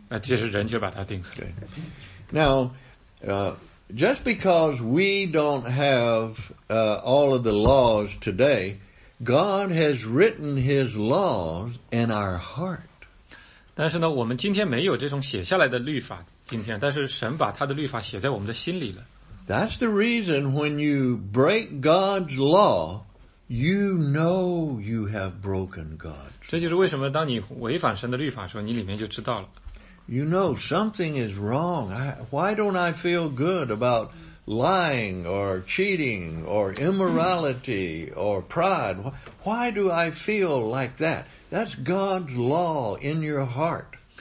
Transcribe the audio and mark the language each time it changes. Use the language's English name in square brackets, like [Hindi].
[Chinese] 但是他们却把他钉死了，这是非常讽刺的，他可能是唯一一个，不是可能就是唯一一个，他靠着自己的行为有资格去天堂的，那这些人却把他钉死了。 [English] Now, just because we don't have all of the laws today, God has written his laws in our heart. [Chinese] 但是呢，我们今天没有这种写下来的律法，今天，但是神把他的律法写在我们的心里了。 That's the reason when you break God's law, you know you have broken God's law. 这就是为什么当你违反神的律法的时候，你里面就知道了。 [English] You know something is wrong. Why don't I feel good about lying or cheating or immorality or pride? Why do I feel like that? That's God's law in your heart.